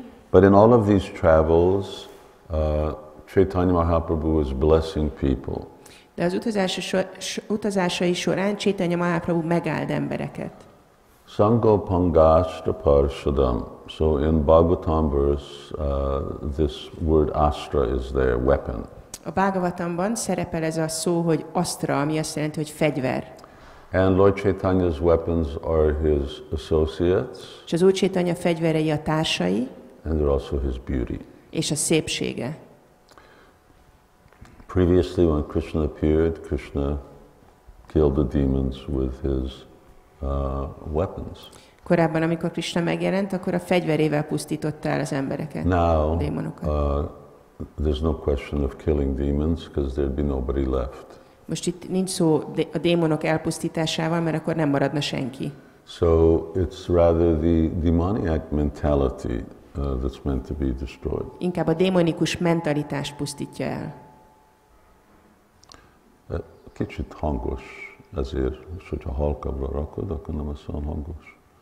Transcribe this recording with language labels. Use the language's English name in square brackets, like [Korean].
[English] But in all of these travels, Chaitanya Mahaprabhu was blessing people. [Hungarian] De az utazásai során Chaitanya Mahaprabhu megáld embereket. [Sanskrit] Sangopangashta parshadam. [English] So in Bhagavatam verse, this word astra is there, weapon. [Hungarian] A Bhagavatamban szerepel ez a szó, hogy astra, ami azt jelenti, hogy fegyver. [English] And Lord Chaitanya's weapons are his associates. [Hungarian] És az Úr Chaitanya fegyverei a társai. [English] And also his beauty. [Hungarian] És a szépsége. [English] Previously, when Krishna appeared, Krishna killed the demons with his weapons. [Hungarian] Korábban, amikor Krishna megjelent, akkor a fegyverével pusztította el az embereket, [English] now, [Hungarian] a démonokat. [English] There's no question of killing demons, because there'd be nobody left. [Hungarian] Most itt nincs szó a démonok elpusztításával, mert akkor nem maradna senki. [English] So it's rather the demoniac mentality that's meant to be destroyed. [Hungarian] Inkább a démonikus mentalitás pusztítja el. Kicsit hangos ezért, és hogyha halkabbra rakod, akkor nem lesz olyan hangos.